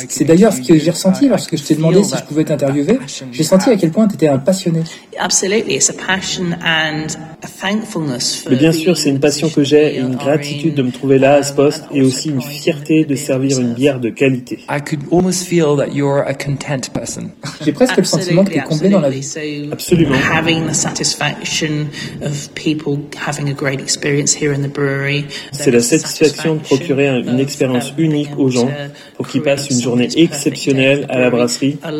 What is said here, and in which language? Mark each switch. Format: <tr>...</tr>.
<fr>C'est d'ailleurs ce que j'ai ressenti lorsque je t'ai demandé si je pouvais t'interviewer. J'ai senti à quel point t'étais un passionné.</fr> <en>Absolutely. It's a passion and a thankfulness.</en> <fr>Mais bien sûr, c'est une passion que j'ai et une gratitude de me trouver là à ce poste et aussi une fierté de servir une bière de qualité.</fr> <en>I could almost feel that you're a content person.</en> <fr>J'ai presque le sentiment que t'es comblé dans la vie. Absolument.</fr> <en>Having the satisfaction of people having a great experience here in the brewery.</en> <fr>C'est la satisfaction de procurer une expérience unique aux gens pour qu'ils passent une journée exceptionnelle à la brasserie.</fr>